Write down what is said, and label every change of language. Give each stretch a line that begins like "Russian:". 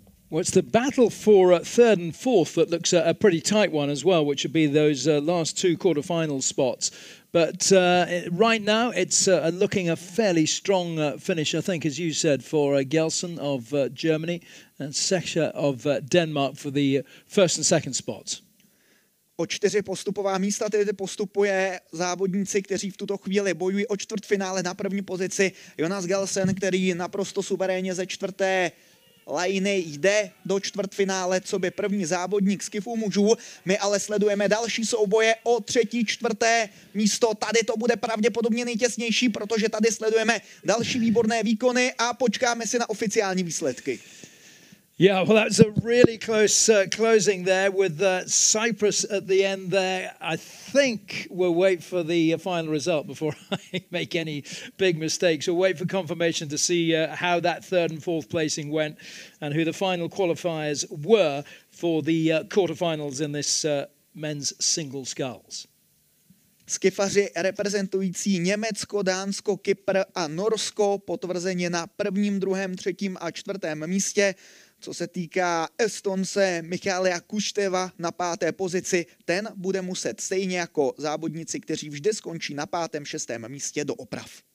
English: Well, it's the battle for third and fourth that looks a pretty tight one as well, which would be those last two quarterfinal spots. But right now, it's looking a fairly strong finish, I think, as you said, for Gelsen of Germany and Secher of Denmark for the first and second spots.
Czech: O čtyři postupová místa tedy postupuje závodníci, kteří v tuto chvíli bojují o čtvrtfinále na první pozici. Jonas Gelsen, který naprosto suverénně ze čtvrté lajny jde do čtvrtfinále, co by první závodník skifu mužů. My ale sledujeme další souboje o třetí, čtvrté místo. Tady to bude pravděpodobně nejtěsnější, protože tady sledujeme další výborné výkony a počkáme si na oficiální výsledky.
English: Yeah, well, that was a really close closing there with Cyprus at the end there. I think we'll wait for the final result before I make any big mistakes. We'll wait for confirmation to see how that third and fourth placing went and who the final qualifiers were for the quarterfinals in this men's single sculls.
Czech: Skifaři reprezentující Německo, Dánsko, Kypr a Norsko potvrzeně na prvním, druhém, třetím a čtvrtém místě. Co se týká Estonce Michaela Kušteva na páté pozici, ten bude muset stejně jako závodníci, kteří vždy skončí na pátém, šestém místě, do oprav.